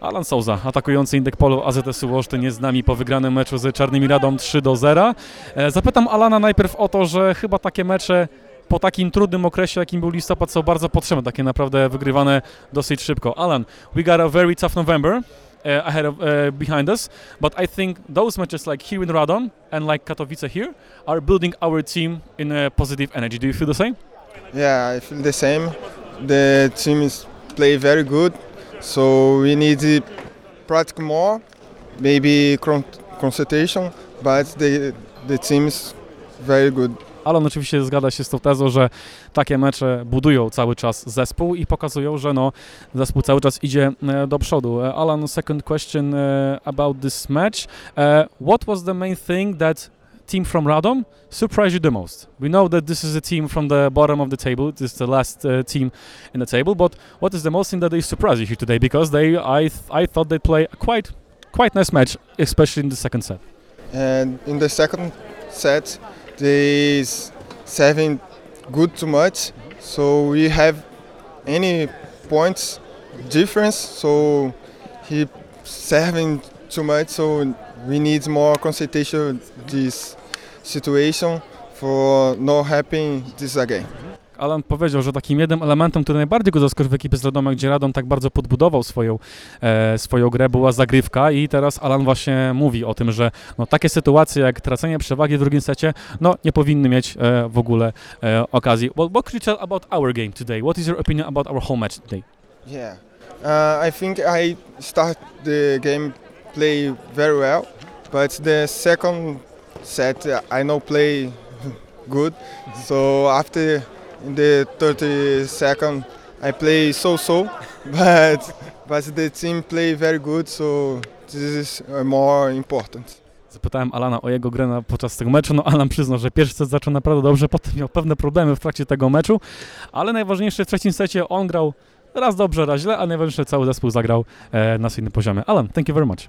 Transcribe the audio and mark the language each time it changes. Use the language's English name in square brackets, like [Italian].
[Polish] Alan Souza, atakujący Indekpolu AZS-u Olsztyn, jest z nami po wygranym meczu z Czarnymi Radą 3-0. Zapytam Alana najpierw o to, że chyba takie mecze po takim trudnym okresie, jakim był listopad, są bardzo potrzebne, takie naprawdę wygrywane dosyć szybko. [English] Alan, we got a very tough November ahead of behind us, but I think those matches like here in Radom and like Katowice here are building our team in a positive energy. Do you feel the same? Yeah, I feel the same. The team is play very good. So we need to practice more, maybe concentration, but the team is very good. [Polish] Alan oczywiście zgadza się z tą tezą, że takie mecze budują cały czas zespół i pokazują, że no, zespół cały czas idzie do przodu. [English] Alan, second question about this match. What was the main thing that team from Radom surprised you the most? We know that this is a team from the bottom of the table, this is the last team in the table, but what is the most thing that they surprised you here today? Because they, I thought they'd play a quite nice match, especially in the second set. And in the second set, they serving good too much, so we have any points difference, so he serving too much, so we need more concentration this situation for not happening this again. [Polish] Alan powiedział, że takim jednym elementem, który najbardziej go zaskoczył w ekipie z Radomia, gdzie Radom tak bardzo podbudował swoją grę, była zagrywka i teraz Alan właśnie mówi o tym, że no, takie sytuacje jak tracenie przewagi w drugim secie, no nie powinny mieć w ogóle okazji. [English] What could you tell about our game today? What is your opinion about our home match today? Yeah, I think I start the game play very well, but the second set I know play good, so after in the 32nd, I play so-so, but the team play very good, so this is more important. [Polish] Zapytałem Alana o jego grę podczas tego meczu, no Alan przyznał, że pierwszy set zaczął naprawdę dobrze, potem miał pewne problemy w trakcie tego meczu, ale najważniejsze w trzecim secie on grał raz dobrze, raz źle, a najważniejsze cały zespół zagrał na swoim poziomie. Alan, [English] thank you very much.